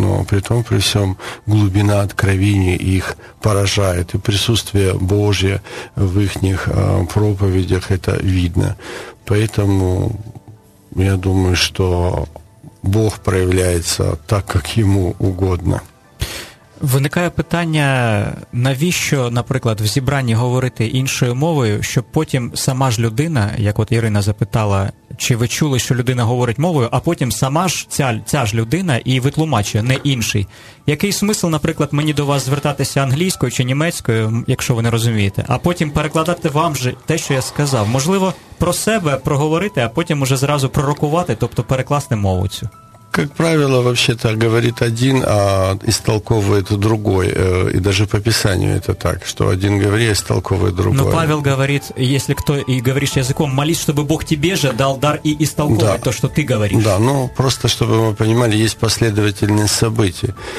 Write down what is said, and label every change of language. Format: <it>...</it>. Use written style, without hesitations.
<ru>Но при том, при всем, глубина откровения их поражает, и присутствие Божье в их проповедях это видно. Поэтому я думаю, что Бог проявляется так, как Ему угодно.</ru> <uk>Виникає питання, навіщо, наприклад, в зібранні говорити іншою мовою, щоб потім сама ж людина, як от Ірина запитала, чи ви чули, що людина говорить мовою, а потім сама ж ця ж людина і витлумачує, не інший. Який смисл, наприклад, мені до вас звертатися англійською чи німецькою, якщо ви не розумієте, а потім перекладати вам же те, що я сказав? Можливо, про себе проговорити, а потім уже зразу пророкувати, тобто перекласти мову цю?</uk> <ru>Как правило, вообще-то говорит один, а истолковывает другой. И даже по Писанию это так, что один говорит, а истолковывает другой. Но Павел говорит, если кто и говоришь языком, молись, чтобы Бог тебе же дал дар и истолковывать, да, то, что ты говоришь. Да, ну просто, чтобы мы понимали, есть последовательность событий.</ru>